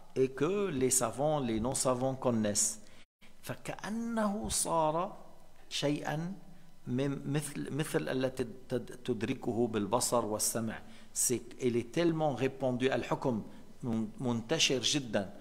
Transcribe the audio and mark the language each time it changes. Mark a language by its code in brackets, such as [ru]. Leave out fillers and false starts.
[fr] et que les savants, les non-savants connaissent. [ar] فكأنه صار شيئا مثل التي تدركه بالبصر والسمع. [fr] Il est tellement répandu, [ar] الحكم منتشر جدا.